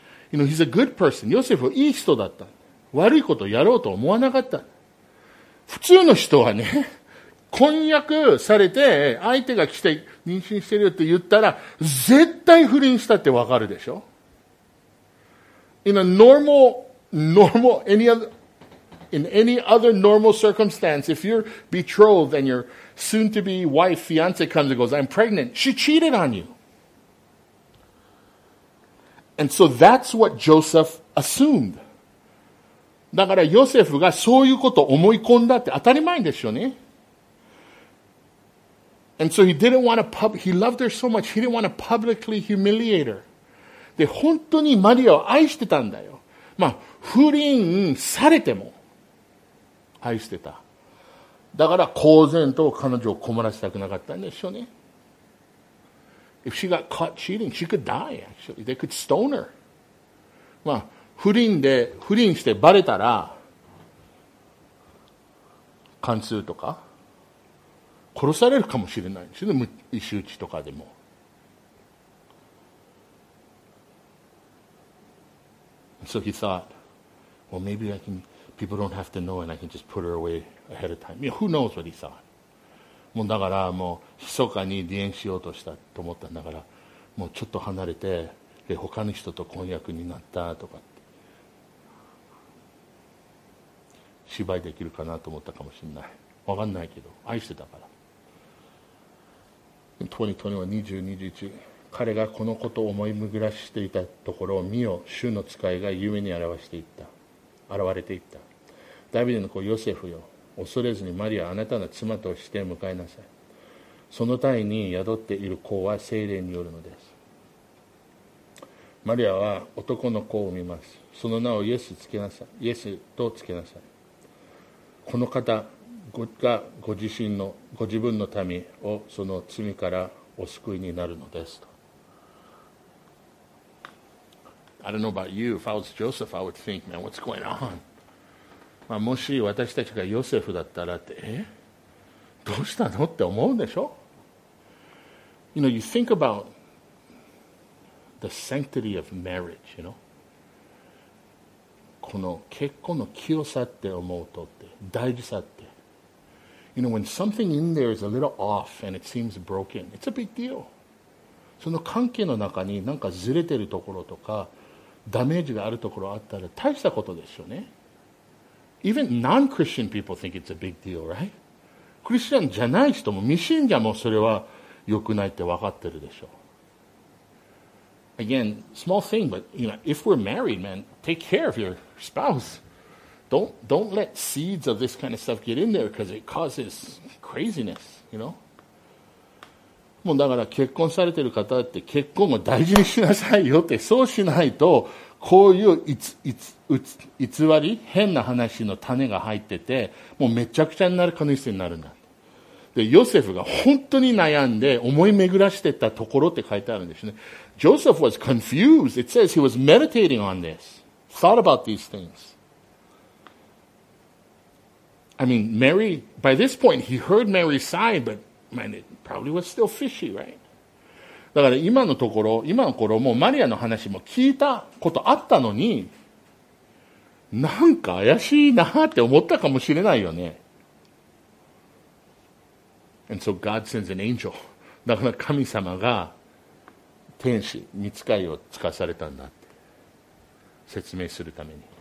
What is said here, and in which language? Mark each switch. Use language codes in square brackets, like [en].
[en] You know, he's a good person. [ja] ヨセフはいい人だった。悪いことをやろうと思わなかった。普通の人はね、婚約されて相手が来て妊娠してるよって言ったら絶対不倫したってわかるでしょ。 [en] In a normal, normal, in any other normal circumstance, if you're betrothed and your soon to be wife, fiance comes and goes, I'm pregnant, she cheated on you. And so that's what Joseph assumed. [ja] だからヨセフがそういうことを思い込んだって当たり前ですよね。 [en] And so he didn't want to pub, he loved her so much, he didn't want to publicly humiliate her. [ja] で、本当にマリアを愛してたんだよ。まあ、不倫されても愛してた。だから公然と彼女を困らせたくなかったんですよね。 [en] If she got caught cheating, she could die actually. They could stone her. [ja] まあ、不倫してバレたら、貫通とか、殺されるかもしれないんですよね、石打ちとかでも。 [en] So he thought, well, maybe I can, people don't have to know and I can just put her away ahead of time. Who knows what he thought? [ja] もうだから、もう、密かに離縁しようとしたと思ったんだから、もうちょっと離れて、で、他の人と婚約になったとか。芝居できるかなと思ったかもしれない。わかんないけど、愛してたから。 2021、彼がこのことを思い巡らしていたところを見よ、主の使いが夢に現していった。現れていった。ダビデの子ヨセフよ、恐れずにマリア、あなたの妻として迎えなさい。その胎に宿っている子は聖霊によるのです。マリアは男の子を産みます。その名をイエスつけなさい。イエスとつけなさい。この方がご自身のご自分の民をその罪からお救いになるのですと。 [en] I don't know about you. If I was Joseph, I would think, man, what's going on? [ja] まあもし私たちがヨセフだったらって、え？どうしたのって思うんでしょ [en] ？You know, you think about the sanctity of marriage. You know. [ja] この結婚の清さって思うとって大事さって [en] You know, when something in there is a little off and it seems broken, it's a big deal. [ja] その関係の中に何かずれてるところとかダメージがあるところあったら大したことですよね。 [en] Even non-Christian people think it's a big deal, right? [ja] クリスチャンじゃない人も未信者もそれは良くないって分かってるでしょ。 [en] Again, small thing, but you know, if we're married, man, take care of your spouse. Don't let seeds of this kind of stuff get in there because it causes craziness, you know? [ja] もうだから結婚されてる方って結婚を大事にしなさいよって、そうしないとこういう偽り変な話の種が入ってて、もうめちゃくちゃになる可能性になるんだ。で、ヨセフが本当に悩んで思い巡らしてたところって書いてあるんですね。 [en] Joseph was confused. It says he was meditating on this. Thought about these things. I mean, Mary, by this point, he heard Mary sigh, but man, it probably was still fishy, right? [ja] だから今のところ、今の頃もうマリアの話も聞いたことあったのに、なんか怪しいなって思ったかもしれないよね。 [en] And so God sends an angel. [ja] だから神様が天使、御使いを使わされたんだって説明するために。